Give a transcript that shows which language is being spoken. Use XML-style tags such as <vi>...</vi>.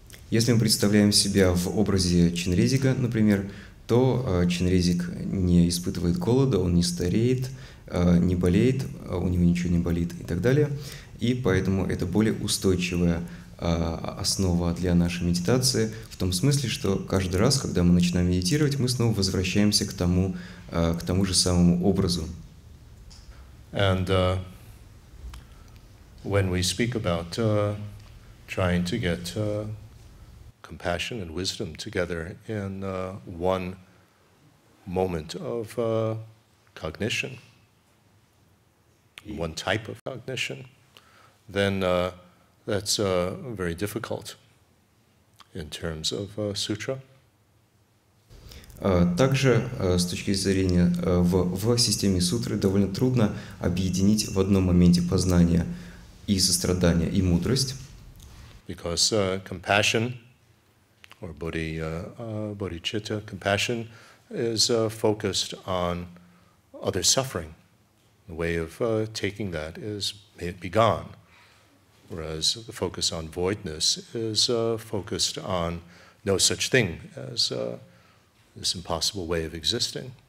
<ru>Если мы представляем себя в образе Чинридзика, например, то Чинридзик не испытывает голода, он не стареет, не болеет, у него ничего не болит и так далее. И поэтому это более устойчивая основа для нашей медитации в том смысле, что каждый раз, когда мы начинаем медитировать, мы снова возвращаемся к тому же самому образу.</ru> <en>And when we speak about trying to get compassion and wisdom together in one moment of cognition, one type of cognition, then that's very difficult in terms of sutra.</en> <ru>Также, с точки зрения в системе сутры, довольно трудно объединить в одном моменте познание и сострадание, и мудрость.</ru> <en>Because compassion, or bodhicitta, compassion is focused on other suffering. The way of taking that is, may it be gone. Whereas the focus on voidness is focused on no such thing as this impossible way of existing.</en>